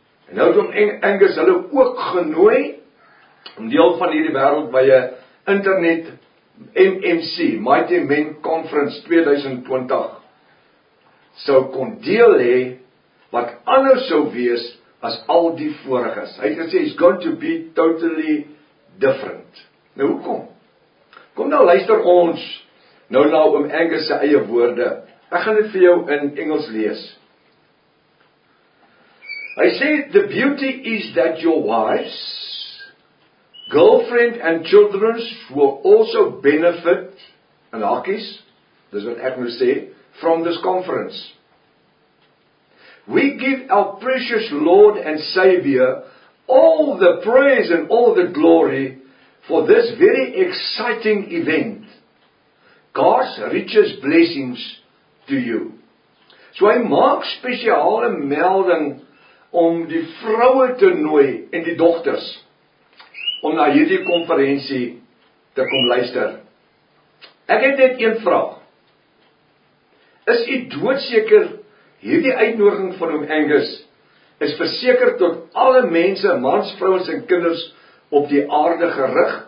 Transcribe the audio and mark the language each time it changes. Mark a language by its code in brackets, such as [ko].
[af] En nou het oom Angus hulle ook genooi om deel van hierdie wêreldwye internet MMC, Mighty Men Conference 2020, sou kon deel hê wat anders sou wees as al die voriges. Hy het gesê, [en] it's going to be totally different. [af] Nou, hoekom? Kom nou, luister ons, nou na oom Angus se eie woorde. Ek gaan dit vir jou in Engels lees. Hy sê, [en] the beauty is that your wives, girlfriend and children will also benefit, [af] in hakies, dis wat ek nou sê, [en] from this conference. We give our precious Lord and Savior all the praise and all the glory for this very exciting event. God's richest blessings to you. [af] So hy maak spesiale melding om die vroue te nooi en die dogters om na hierdie konferensie te kom luister. Ek het net een vraag. Is u doodseker hierdie uitnodiging van oom Angus is verseker tot alle mense, mans, vrouens en kinders op die aarde gerig?